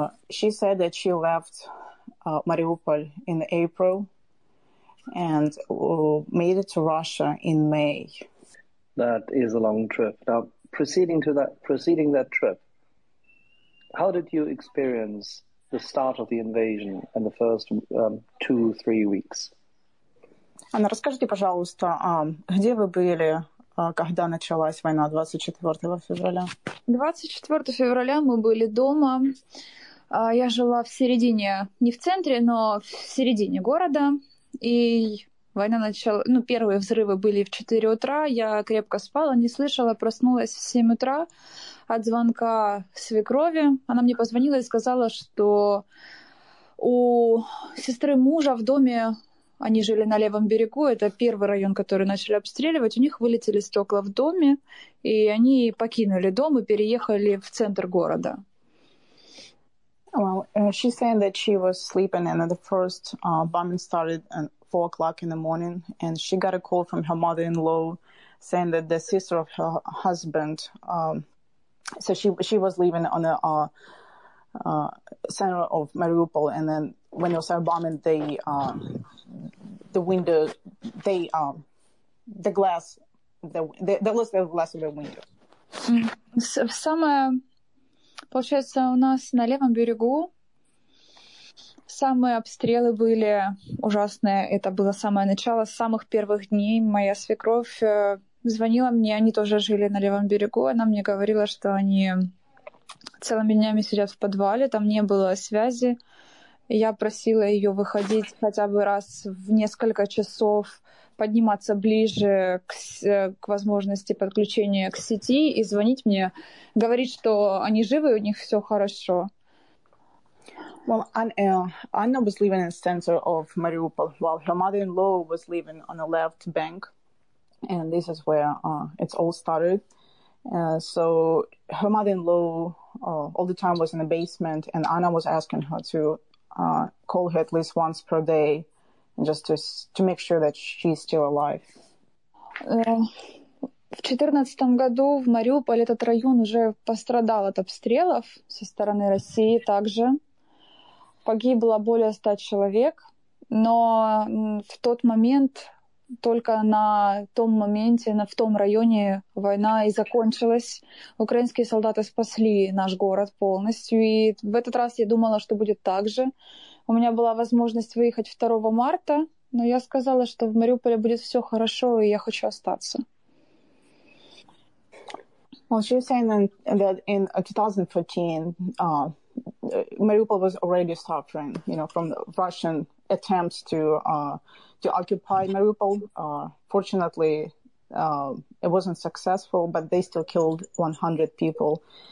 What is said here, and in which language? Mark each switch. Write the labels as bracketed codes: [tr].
[en] She said that she left Mariupol in April and made it to Russia in May. That is a long trip. Now, preceding that trip, how did you experience the start of the invasion in the first 2-3 weeks? [ru] Anna, расскажите, пожалуйста, где вы были, когда началась война 24 февраля? 24 февраля мы были дома. Я жила в середине, не в центре, но в середине города. И война начала... Ну, первые взрывы были в 4 утра. Я крепко спала, не слышала, проснулась в 7 утра от звонка свекрови. Она мне позвонила и сказала, что у сестры мужа в доме... Они жили на левом берегу, это первый район, который начали обстреливать. У них вылетели стекла в доме, и они покинули дом и переехали в центр города. [en] Well, she's saying that she was sleeping, and the first bombing started at 4 o'clock in the morning, and she got a call from her mother-in-law saying that the sister of her husband, so she was leaving on the center of Mariupol, and then when they started bombing, they lost the glass of the window. [ru] Самое, получается, у нас на левом берегу самые обстрелы были ужасные. Это было самое начало, с самых первых дней. Моя свекровь звонила мне, они тоже жили на левом берегу. Она мне говорила, что они целыми днями сидят в подвале, там не было связи Я просила ее выходить хотя бы раз в несколько часов, подниматься ближе к возможности подключения к сети и звонить мне, говорить, что они живы, у них все хорошо. [en] Well, Anna was living in the center of Mariupol, while her mother-in-law was living on the left bank, and this is where it's all started. So her mother-in-law all the time was in the basement, and Anna was asking her to call her at least once per day, just to make sure that she's still alive. [ru] В 2014 году в Мариуполе этот район уже пострадал от обстрелов со стороны России также. Погибло более 100 человек, но в тот момент, только на том моменте, в том районе война и закончилась. Украинские солдаты спасли наш город полностью, и в этот раз я думала, что будет так же. У меня была возможность выехать 2 марта, но я сказала, что в Мариуполе будет все хорошо, и я хочу остаться. [en] Well, she was saying that in 2014, Mariupol was already suffering, you know, from the Russian attempts to occupy Mariupol. Fortunately, it wasn't successful, but they still killed 100 people.